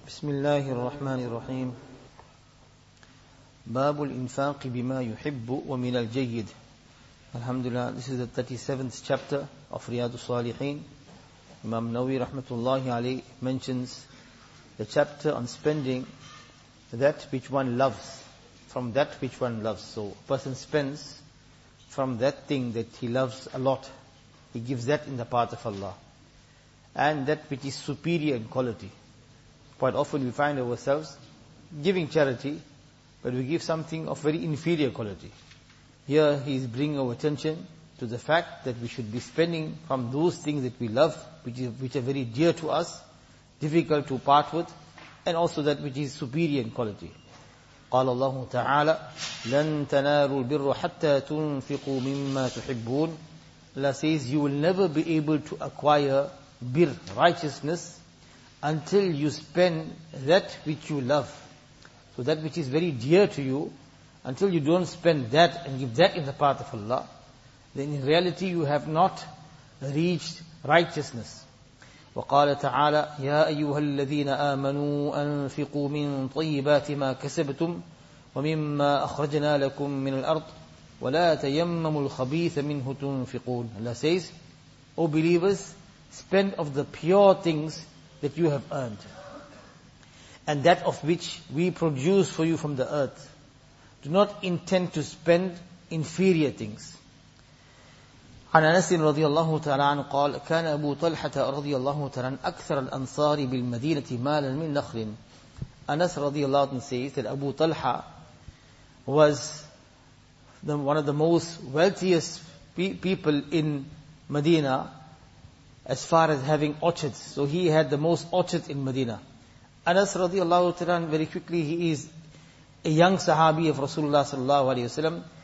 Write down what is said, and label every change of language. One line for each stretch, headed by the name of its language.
Arabic: بسم الله الرحمن الرحيم باب الإنفاق بما يحب ومن الجيد الحمد لله
English: This is the 37th chapter of Riyadu Salihin. Imam Nawawi rahmatullahi alayhi mentions the chapter on spending that which one loves from that which one loves. So a person spends from that thing that he loves a lot. He gives that in the path of Allah. And that which is superior in quality. Quite often we find ourselves giving charity, but we give something of very inferior quality. Here he is bringing our attention to the fact that we should be spending from those things that we love, which are very dear to us, difficult to part with, and also that which is superior in quality.
Arabic: قال الله تعالى لن تنالوا البر حتى تنفقوا مما تحبون.
English: Allah says, you will never be able to acquire bir, righteousness, until you spend that which you love. So that which is very dear to you, until you don't spend that and give that in the path of Allah, then in reality you have not reached righteousness.
Arabic: وَقَالَ تَعَالَى يَا أَيُّهَا الَّذِينَ آمَنُوا أَنْفِقُوا مِنْ طَيِّبَاتِ مَا كَسَبْتُمْ وَمِمَّا أَخْرَجْنَا لَكُمْ مِنَ الْأَرْضِ وَلَا تَيَمَّمُوا الْخَبِيثَ مِنْهُ تُنْفِقُونَ.
English: Allah says, O believers, spend of the pure things that you have earned, and that of which we produce for you from the earth. Do not intend to spend inferior things.
Arabic: عن أنس رضي الله تعالى عنه قال كان أبو طلحة رضي الله تعالى عنه أكثر الأنصار بالمدينة مالا من نخل.
English: أنس رضي الله عنه says that Abu Talha was one of the most wealthiest people in Medina as far as having orchards. So he had the most orchards in Medina. Anas radiallahu ta'ala, very quickly, he is a young sahabi of Rasulullah sallallahu alayhi wa sallam.